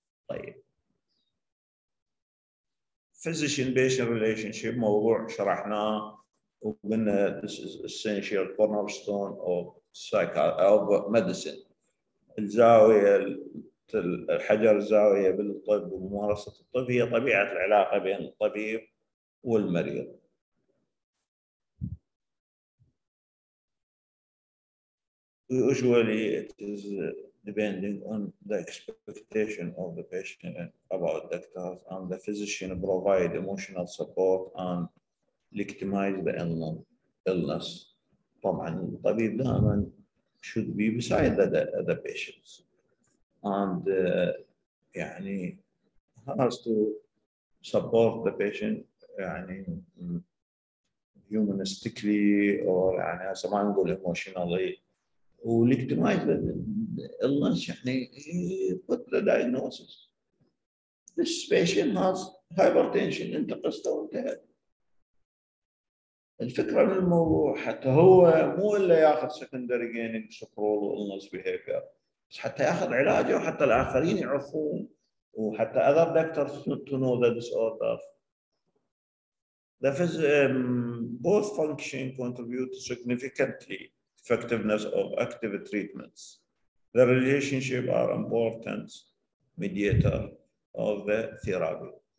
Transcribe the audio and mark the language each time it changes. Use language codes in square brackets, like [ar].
[en] طيب physician patient relationship [ar] موضوع شرحناه وقلنا [en] this is essential cornerstone of psychiatry of medicine. [ar] الزاوية الحجر الزاوية بالطب وممارسة الطب هي طبيعة العلاقة بين الطبيب والمريض. [en] Usually it is depending on the expectation of the patient about doctors and the physician provide emotional support and legitimize the illness. [ar] طبعا الطبيب دائما [en] should be beside the patients and يعني has to support the patient يعني humanistically or يعني as ما نقول emotionally ولكتمايز illness يعني put the diagnosis this patient has hypertension [ar] انت قصته وانتهت. الفكرة من الموضوع حتى هو مو إلا يأخذ [en] secondary gaining control illness behavior [ar] بس حتى يأخذ علاجه وحتى الآخرين يعرفون وحتى [en] other doctors to know the disorder. The both function contribute significantly effectiveness of active treatments. The relationship are important mediator of the therapy.